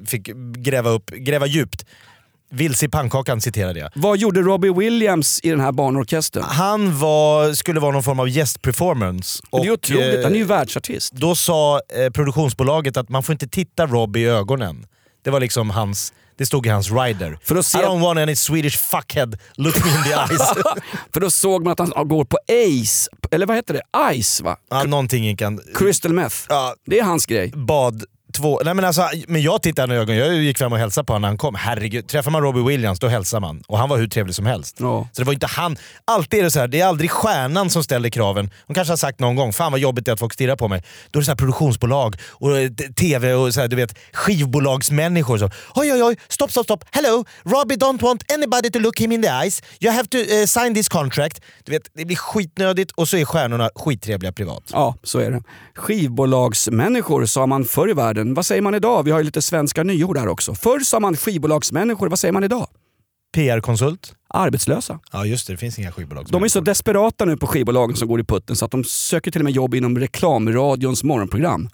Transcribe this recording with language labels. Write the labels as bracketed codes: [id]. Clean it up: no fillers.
[sv] Fick gräva djupt. Vilse i pannkakan citerade jag. Vad gjorde Robbie Williams i den här barnorkestern? Han skulle vara någon form av gästperformance. Det är otroligt, han är ju världsartist. Då sa produktionsbolaget att man får inte titta Robbie i ögonen. Det var liksom hans, det stod i hans rider. För att se, [en] I don't want any Swedish fuckhead look me in the eyes. [sv] För då såg man att han går på Ace, eller vad heter det? Ice, va? Ja, någonting i kan. Crystal meth. Ja, det är hans grej. Bad. Nej, men alltså, men jag tittade i ögonen. Jag gick fram och hälsade på honom när han kom. Herregud, träffar man Robbie Williams, då hälsar man. Och han var hur trevlig som helst. Oh. Så det var inte han. Alltid är det så här, det är aldrig stjärnan som ställer kraven. Hon kanske har sagt någon gång, fan vad jobbigt det att folk stirrar på mig. Då är det så här produktionsbolag och tv och så här, du vet, skivbolagsmänniskor. Så, oj, oj, oj, stopp, stopp, stopp. [en] Hello, Robbie don't want anybody to look him in the eyes. You have to sign this contract. [sv] Du vet, det blir skitnödigt och så är stjärnorna skittrevliga privat. Ja, så är det. Skivbolagsmänniskor sa man förr i världen. Vad säger man idag? Vi har ju lite svenska nyord där också. Förr sa man skivbolagsmänniskor. Vad säger man idag? PR-konsult? Arbetslösa. Ja just det, det finns inga skivbolag. De är så desperata nu på skivbolagen som går i putten så att de söker till och med jobb inom reklamradions morgonprogram.